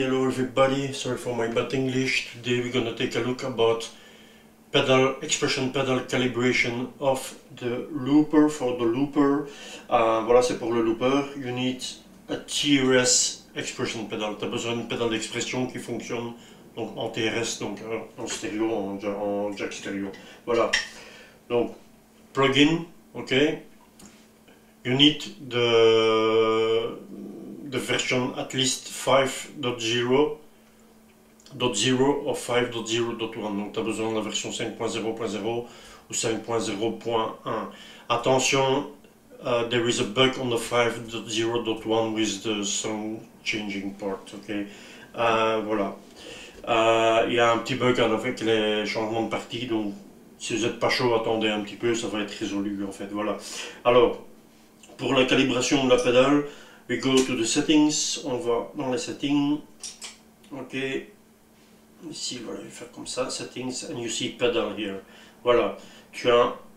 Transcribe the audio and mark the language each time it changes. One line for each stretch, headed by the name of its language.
English: Hello everybody, sorry for my bad English. Today we're gonna take a look about pedal calibration of the looper for the looper.
French: Voilà, c'est pour le looper.
English: You need a TRS expression pedal.
French: T'as besoin d'une pédale d'expression qui fonctionne donc en TRS, donc en stéréo, en jack stéréo. Voilà. Donc,
English: plugin, ok. You need the version at least 5.0, 0 ou 5.0.1.
French: Donc, tu as besoin de la version 5.0.0 ou 5.0.1.
English: Attention, there is a bug on the 5.0.1 with the song changing part. Okay? Voilà.
French: Il y a un petit bug avec les changements de partie. Donc, si vous n'êtes pas chaud, attendez un petit peu, ça va être résolu en fait. Voilà. Alors, pour la calibration de la pédale,
English: we go to the settings,
French: on va dans les settings, ok, ici voilà, je vais faire comme ça, settings,
English: and you see pedal here,
French: voilà, tu as